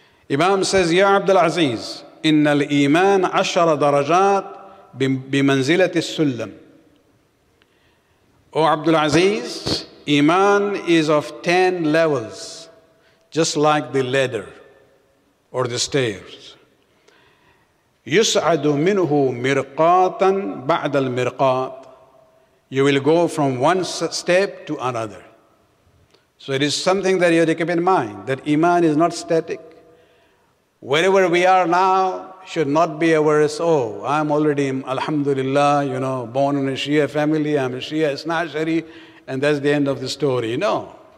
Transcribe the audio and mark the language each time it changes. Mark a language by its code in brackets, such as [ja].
[en] Imam says, Ya Abdul Aziz, [ar] إن الإيمان عشر درجات بمنزلة السلم. [en] O Abdul Aziz, Iman is of 10 levels, just like the ladder or the stairs. [ar] يسعد منه مرقاتا بعد المرقات. [en] You will go from one step to another. So it is something that you have to keep in mind, that Iman is not static. Wherever we are now should not be aware, oh, I'm already, alhamdulillah, you know, born in a Shia family, I'm a Shia Isnashari, and that's the end of the story. No.